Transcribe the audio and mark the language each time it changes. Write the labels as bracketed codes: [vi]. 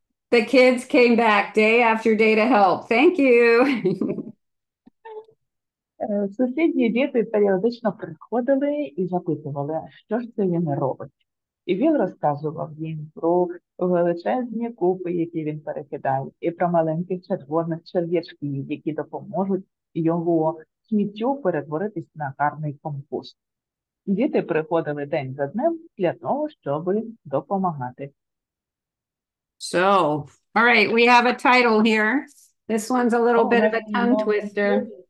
[en] The kids came back day after day to help. Thank you. [uk] Сусідні діти періодично приходили і запитували, що ж це він робить. І він розказував їм про величезні купи, які він перекидає, і про маленьких червоних черв'ячків, які допоможуть його сміттю перетворитись на гарний компост. Діти приходили день за днем для того, щоб допомагати. [en] So, all right, we have a title here. This one's a little bit of a tongue twister.